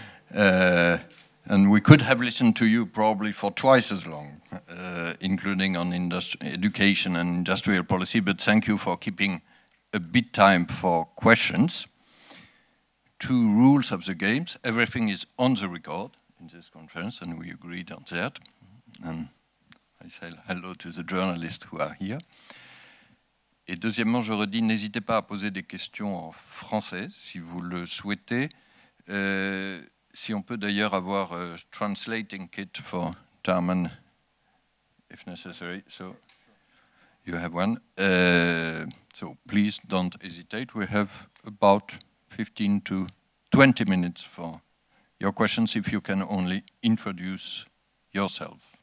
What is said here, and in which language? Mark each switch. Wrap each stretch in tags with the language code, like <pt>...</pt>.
<en>And we could have listened to you probably for twice as long, including on education and industrial policy, but thank you for keeping a bit time for questions. Two rules of the games: everything is on the record in this conference, and we agreed on that. And I say hello to the journalists who are here.</en> <fr>Et deuxièmement, je redis, n'hésitez pas à poser des questions en français, si vous le souhaitez. Si on peut d'ailleurs avoir un</fr> <en>translating kit for Tarman, if necessary. So, you have one. So, please don't hesitate. We have about 15 to 20 minutes for your questions, if you can only introduce yourself.</en>